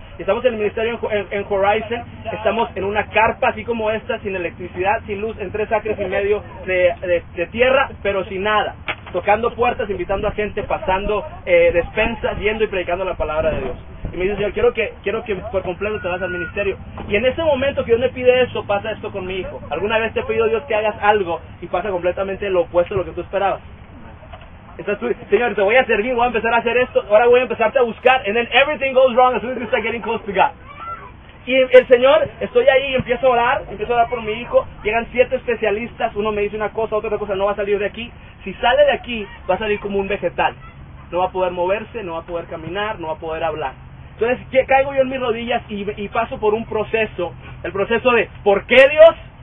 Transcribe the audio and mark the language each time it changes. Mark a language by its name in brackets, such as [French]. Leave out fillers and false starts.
[Spanish] Y estamos en el ministerio en Horizon, estamos en una carpa así como esta, sin electricidad, sin luz, en 3 acres y medio de tierra, pero sin nada, tocando puertas, invitando a gente, pasando despensas, yendo y predicando la palabra de Dios. Y me dice, Señor, quiero que por completo te vayas al ministerio. Y en ese momento que Dios me pide eso, pasa esto con mi hijo. ¿Alguna vez te ha pedido Dios que hagas algo y pasa completamente lo opuesto a lo que tú esperabas? Entonces tú, Señor, te voy a servir, voy a empezar a hacer esto, ahora voy a empezarte a buscar. [English] And then everything goes wrong as soon as you start getting close to God. [Spanish] Y el Señor, estoy ahí, empiezo a orar por mi hijo. Llegan 7 especialistas, uno me dice una cosa, otra cosa, no va a salir de aquí. Si sale de aquí, va a salir como un vegetal. No va a poder moverse, no va a poder caminar, no va a poder hablar. Entonces, ¿qué? Caigo yo en mis rodillas y paso por un proceso, el proceso de, ¿por qué Dios?